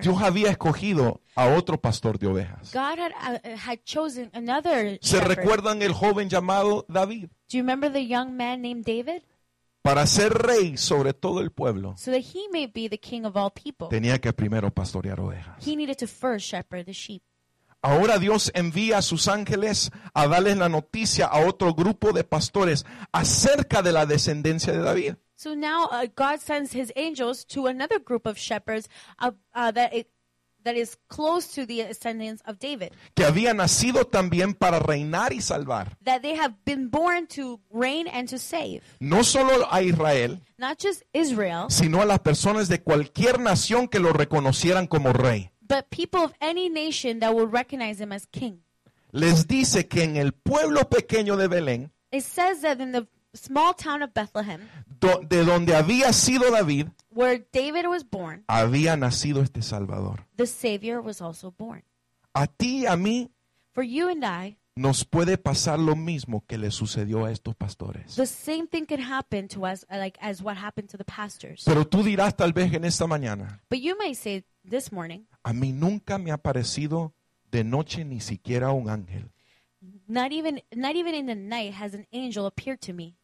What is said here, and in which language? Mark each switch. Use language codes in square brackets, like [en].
[es] Dios había escogido a otro pastor de ovejas. [en] God had chosen another shepherd. [es] ¿Se recuerdan el joven llamado David? [en] Do you remember the young man named David? [es] Para ser rey sobre todo el pueblo. [en] So that he may be the king of all people. [es] Tenía que primero pastorear ovejas. [en] He needed to first shepherd the sheep. [es] Ahora Dios envía a sus ángeles a darles la noticia a otro grupo de pastores acerca de la descendencia de David. [en] So now God sends his angels to another group of shepherds that is close to the ascendants of David. [es] Que había nacido también para reinar y salvar. [en] That they have been born to reign and to save. [es] No solo a Israel. [en] Not just Israel. [es] Sino a las personas de cualquier nación que lo reconocieran como rey. [en] But people of any nation that will recognize him as king. [es] Les dice que en el pueblo pequeño de Belén. [en] It says that in the small town of Bethlehem. [es] De donde había sido David. [en] Where David was born. [es] Había nacido este Salvador. [en] The Savior was also born. [es] A ti y a mí. [en] For you and I. [es] Nos puede pasar lo mismo que le sucedió a estos pastores. [en] The same thing can happen to us, like as what happened to the pastors. [es] Pero tú dirás tal vez en esta mañana. [en] But you may say this morning. [es] A mí nunca me ha aparecido de noche ni siquiera un ángel. [en] Not even in the night has an angel appeared to me.